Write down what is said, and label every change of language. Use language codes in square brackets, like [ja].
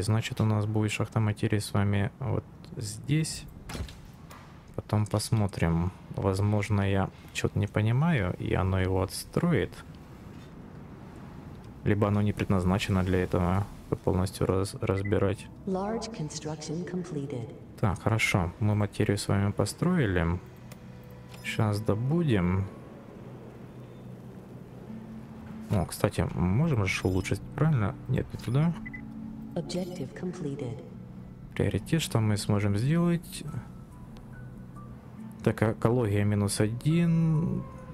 [ru] Значит, у нас будет шахта материи с вами вот здесь. Потом посмотрим. Возможно, я что-то не понимаю, и оно его отстроит. Либо оно не предназначено для этого, чтобы полностью разбирать. [en] Large construction completed. [ru] Так, хорошо. Мы материю с вами построили. Сейчас добудем. О, кстати, можем же улучшить, правильно? Нет, не туда. [en] Objective completed. [ru] Приоритет, что мы сможем сделать? Так, экология минус один.